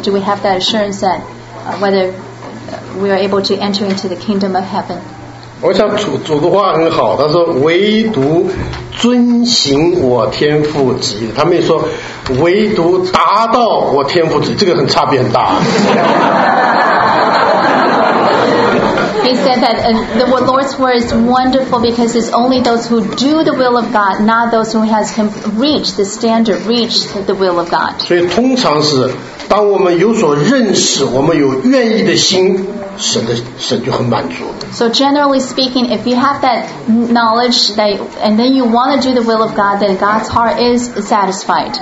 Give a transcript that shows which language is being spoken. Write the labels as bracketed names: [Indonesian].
[English] Do we have that assurance that whether we are able to enter into the kingdom of heaven? [Chinese] 我想主的话很好，他说唯独遵行我天父旨意，他没说唯独达到我天父旨意，这个很差别很大。 [English] He said that the Lord's word is wonderful because it's only those who do the will of God, not those who has reached the standard, reached the will of God. [Chinese] 所以通常是当我们有所认识，我们有愿意的心，神就很满足。 [English] So generally speaking, if you have that knowledge that, and then you want to do the will of God, then God's heart is satisfied.